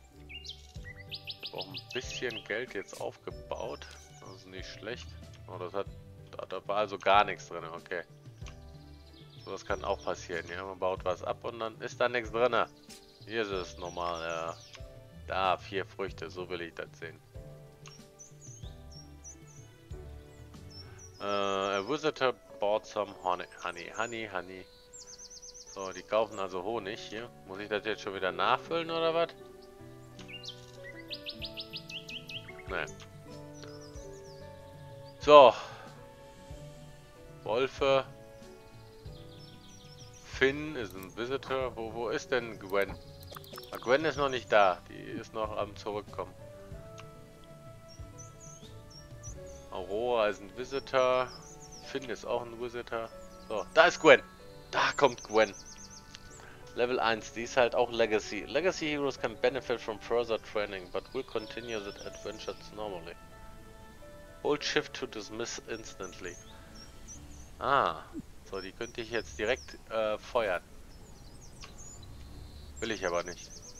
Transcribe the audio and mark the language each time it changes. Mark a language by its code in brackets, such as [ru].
[de] Ich hab auch ein bisschen Geld jetzt aufgebaut, das ist nicht schlecht. Oh, das hat da war also gar nichts drin. Okay, so was kann auch passieren. Ja, man baut was ab und dann ist da nichts drin. Hier ist es normal. Da, 4 Früchte, so will ich das sehen. [en] A Visitor bought some honey. [de] So, die kaufen also Honig hier. Muss ich das jetzt schon wieder nachfüllen oder was? Nee. So. Wolfe. Finn ist ein Visitor. Wo ist denn Gwen? Gwen ist noch nicht da. Die ist noch am Zurückkommen. Aurora ist ein Visitor. Finn ist auch ein Visitor. So, da ist Gwen. Da kommt Gwen. Level 1, die ist halt auch Legacy. [en] Legacy Heroes can benefit from further training, but will continue the adventures normally. Hold Shift to dismiss instantly. [de] Ah, so, die könnte ich jetzt direkt feuern. Will ich aber nicht.